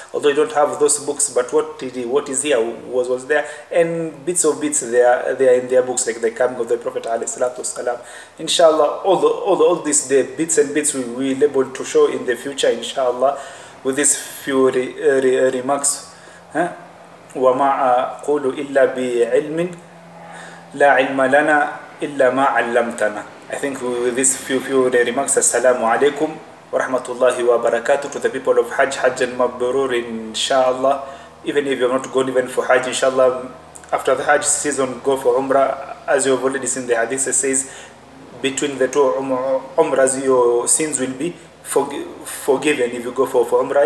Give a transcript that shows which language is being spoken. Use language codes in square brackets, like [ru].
[en] Although you don't have those books, but what is here was there, and bits of bits they are in their books, like the coming of the Prophet [ar] عليه الصلاة والسلام. [en] Inshallah, all these the bits and bits we will be able to show in the future, inshallah, with these few remarks. [ar] وما أقول إلا بعلم لا علم لنا إلا ما علمتنا. [en] I think with this few remarks, assalamu alaikum wa rahmatullahi wa barakatuh to the people of Hajj, Hajj and Mabrur, inshallah. Even if you're not going even for Hajj, inshallah, after the Hajj season, go for Umrah. As you have already seen the hadith, it says between the two Umrahs, your sins will be forgiven if you go for Umrah.